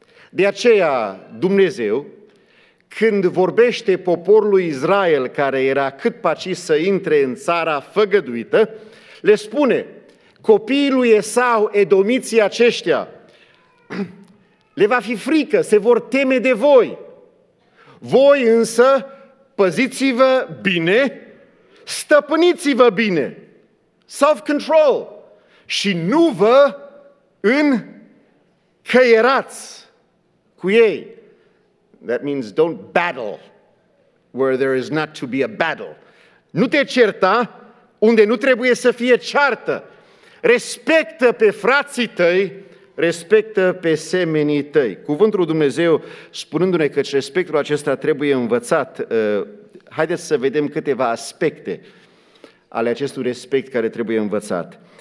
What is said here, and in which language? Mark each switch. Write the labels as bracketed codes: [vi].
[ro] De aceea Dumnezeu, când vorbește poporului Israel, care era cât paci să intre în țara făgăduită, le spune, copiii lui Esau, edomiții aceștia, le va fi frică, se vor teme de voi. Voi însă, păziți-vă bine, stăpâniți-vă bine, self-control, și nu vă încăierați cu ei. [en] That means don't battle where there is not to be a battle. [ro] Nu te certa unde nu trebuie să fie ceartă. Respectă pe frații tăi, respectă pe semenii tăi. Cuvântul lui Dumnezeu, spunându-ne că respectul acesta trebuie învățat, haideți să vedem câteva aspecte ale acestui respect care trebuie învățat.